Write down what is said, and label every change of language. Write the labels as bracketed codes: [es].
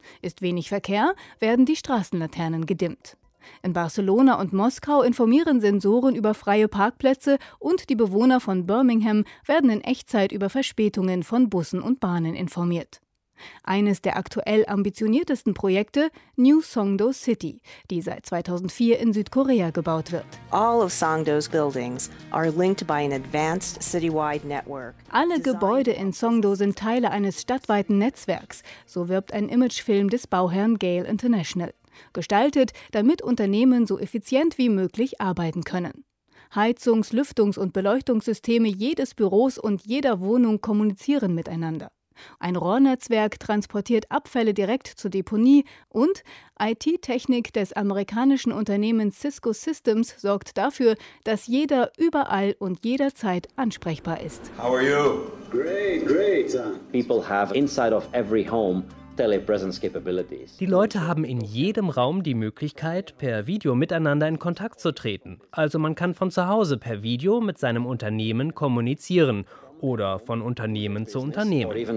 [de] Ist wenig Verkehr, werden die Straßenlaternen gedimmt. In Barcelona und Moskau informieren Sensoren über freie Parkplätze und die Bewohner von Birmingham werden in Echtzeit über Verspätungen von Bussen und Bahnen informiert. Eines der aktuell ambitioniertesten Projekte, New Songdo City, die seit 2004 in Südkorea gebaut wird. [en] All of Songdo's buildings are linked by an advanced citywide network. [de] Alle Gebäude in Songdo sind Teile eines stadtweiten Netzwerks, so wirbt ein Imagefilm des Bauherrn Gale International. Gestaltet, damit Unternehmen so effizient wie möglich arbeiten können. Heizungs-, Lüftungs- und Beleuchtungssysteme jedes Büros und jeder Wohnung kommunizieren miteinander. Ein Rohrnetzwerk transportiert Abfälle direkt zur Deponie und IT-Technik des amerikanischen Unternehmens Cisco Systems sorgt dafür, dass jeder überall und jederzeit ansprechbar ist. [en] How are you? Great, great. People have inside of every home telepresence capabilities. [de] Die Leute haben in jedem Raum die Möglichkeit, per Video miteinander in Kontakt zu treten. Also man kann von zu Hause per Video mit seinem Unternehmen kommunizieren. Oder von Unternehmen zu Unternehmen.